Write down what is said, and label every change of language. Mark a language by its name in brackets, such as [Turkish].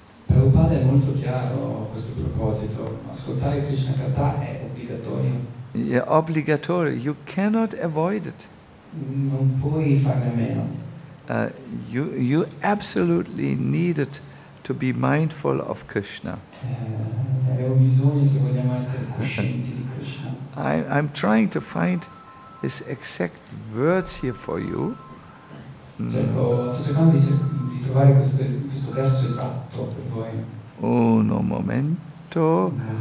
[Italian] Prabhupada è molto chiaro a questo proposito. Ascoltare Krishna Katha è obbligatorio. [English] Yeah, obbligatorio. You cannot avoid it. [Italian] Non puoi farne meno. [English] You absolutely need it to be mindful of Krishna. [Italian] Abbiamo bisogno se vogliamo essere coscienti di Krishna. [English] I'm trying to find his exact words here for you. [Italian] Sto cercando di trovare questo verso esatto per voi. Un momento.